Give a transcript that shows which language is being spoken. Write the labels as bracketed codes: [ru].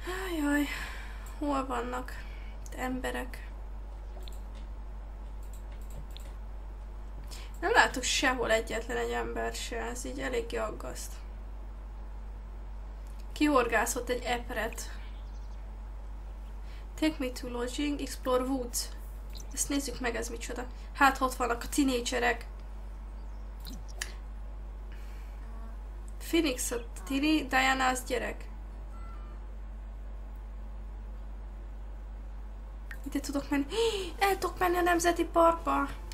[hu] Ajaj, hol vannak itt emberek? Nem látok sehol egyetlen egy ember se, ez így eléggé aggaszt. Kihorgászott egy eperet. [en] Take me to lodging, explore woods. [hu] Ezt nézzük meg, ez micsoda. Hát, ott vannak a tinédzserek. Phoenix a tini, Diana az gyerek. Ide tudok menni? El tudok menni a nemzeti parkba!